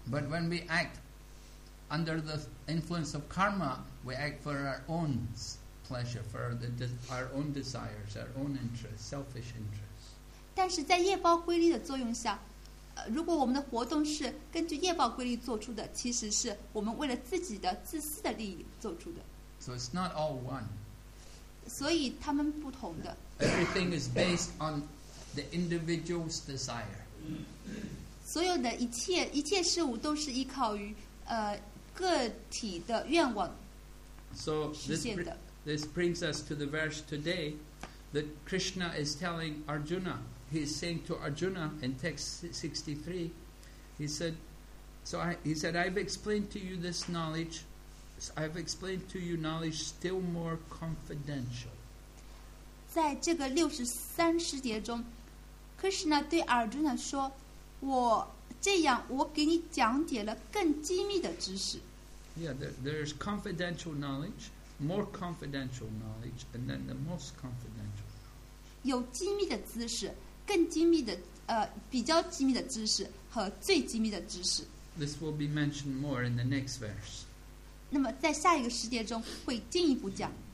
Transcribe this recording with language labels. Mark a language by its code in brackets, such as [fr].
[en] But when we act under the influence of karma, we act for our own pleasure, for our own desires, our own interests, selfish interests. [zh] 但是在业报规律的作用下，如果我们的活动是根据业报规律做出的，其实是我们为了自己的自私的利益做出的。 [en] So it's not all one. [zh] 所以他们不同的。 [en] Everything is based on the individual's desire. [zh] 所有的一切事物都是依靠于个体的愿望实现的。 [en] So this brings us to the verse today that Krishna is telling Arjuna. He is saying to Arjuna in text 63, he said, I've explained to you knowledge still more confidential. [zh] 在这个六十三师节中 ，Krishna 对 Arjuna 说，我给你讲解了更机密的知识。 [en] Yeah, there's confidential knowledge, more confidential knowledge, and then the most confidential knowledge. [zh] 有机密的知识。更机密的比较机密的知识和最机密的知识。 [en] This will be mentioned more in the next verse. [zh] 那么在下一个世界中会进一步讲。